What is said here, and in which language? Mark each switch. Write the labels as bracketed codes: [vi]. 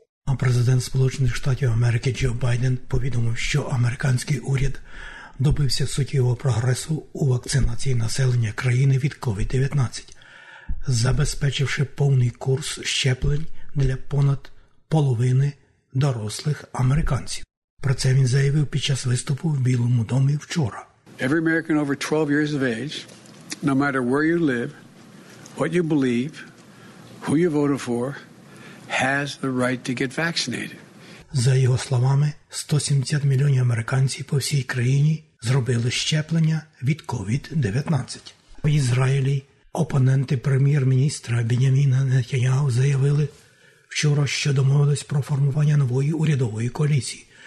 [uk] А президент Сполучених Штатів Америки Джо Байден повідомив, що американський уряд добився суттєвого прогресу у вакцинації населення країни від COVID-19, забезпечивши повний курс щеплень для понад половини дорослих американців. Про це він заявив під час виступу в Білому домі вчора. [en] Every American over 12 years of age, no matter where you live, what you believe, who you voted for, has the right to get vaccinated. [uk] За його словами, 170 мільйонів американців по всій країні зробили щеплення від COVID-19. В Ізраїлі опоненти прем'єр-міністра Беньяміна Нетаньяху заявили вчора, що домовились про формування нової урядової коаліції,